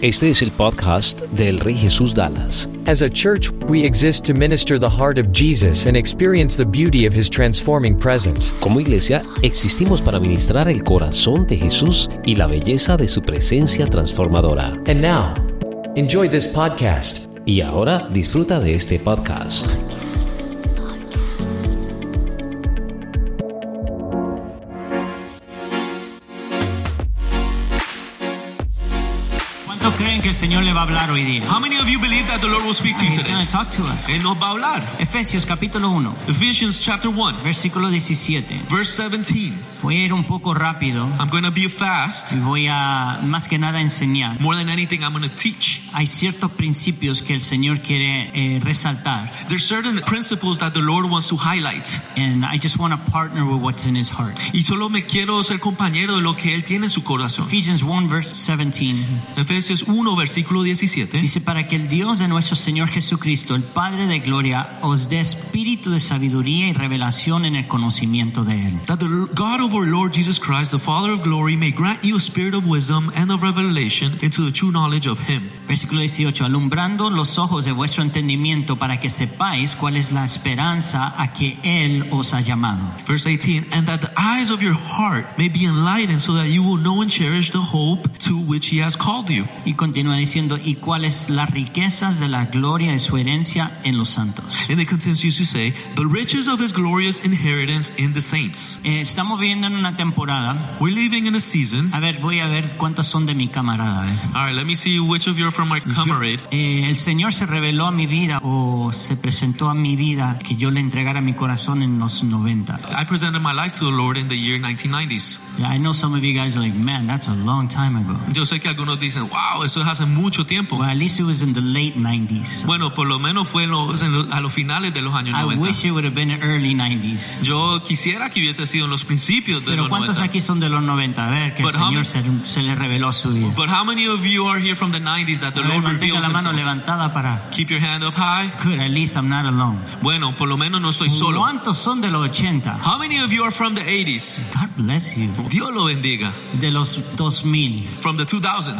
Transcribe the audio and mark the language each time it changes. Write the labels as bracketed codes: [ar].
[es] Este es el podcast del Rey Jesús Dallas. [en] As a church, we exist to minister the heart of Jesus and experience the beauty of His transforming presence. [es] Como iglesia, existimos para ministrar el corazón de Jesús y la belleza de su presencia transformadora. [en] And now, enjoy this podcast. [es] Y ahora, disfruta de este podcast. Que el Señor le va a hablar hoy día. [en] How many of you believe that the Lord will speak to you today? He's going to talk to us. [es] Él nos va a hablar. Efesios capítulo 1. [en] Ephesians chapter 1. [es] Versículo 17. [en] Verse 17. [es] Voy a ir un poco rápido. [en] I'm going to be fast. [es] Y voy a más que nada enseñar. [en] More than anything, I'm going to teach. [es] Hay ciertos principios que el Señor quiere resaltar. [en] There's certain principles that the Lord wants to highlight. And I just want to partner with what's in His heart. [es] Y solo me quiero ser compañero de lo que Él tiene en su corazón. [en] Ephesians 1 verse 17. [es] Efesios 1. Versículo 17 dice: para que el Dios de nuestro Señor Jesucristo, el Padre de Gloria, os dé espíritu de sabiduría y revelación en el conocimiento de Él. [en] That the God of our Lord Jesus Christ, the Father of Glory, may grant you a spirit of wisdom and of revelation into the true knowledge of Him. [es] Versículo 18: alumbrando los ojos de vuestro entendimiento para que sepáis cuál es la esperanza a que Él os ha llamado. [en] Verse 18: and that the eyes of your heart may be enlightened so that you will know and cherish the hope to which He has called you. [es] Y continúa diciendo, y cuáles las riquezas de la gloria de su herencia en los santos. [en] And it continues to say, the riches of his glorious inheritance in the saints. [es] Estamos viviendo en una temporada. [en] We're living in a season. [es] A ver, voy a ver cuántas son de mi camarada. [en] All right, let me see which of you are from my comrade. [es] El Señor se reveló a mi vida o se presentó a mi vida que yo le entregara mi corazón en los 90. [en] I presented my life to the Lord in the year 1990s. Yeah, I know some of you guys are like, man, that's a long time ago. [es] Yo sé que algunos dicen, wow. Wow, eso es hace mucho tiempo. [en] Well, at least it was in the late 90s. [es] Bueno, por lo menos fue a los finales de los años 90. [en] I wish it would have been early 90s. [es] Yo quisiera que hubiese sido en los principios de los Pero ¿cuántos aquí son de los 90? A ver, que el Señor se le reveló su vida. [en] But how many of you are here from the 90s that the Lord revealed himself? [es] La mano levantada para... [en] Keep your hand up high. Good, at least I'm not alone. [es] Bueno, por lo menos no estoy solo. ¿Cuántos son de los 80? [en] How many of you are from the 80s? God bless you. [es] Dios lo bendiga. De los 2000. [en] From the 2000s.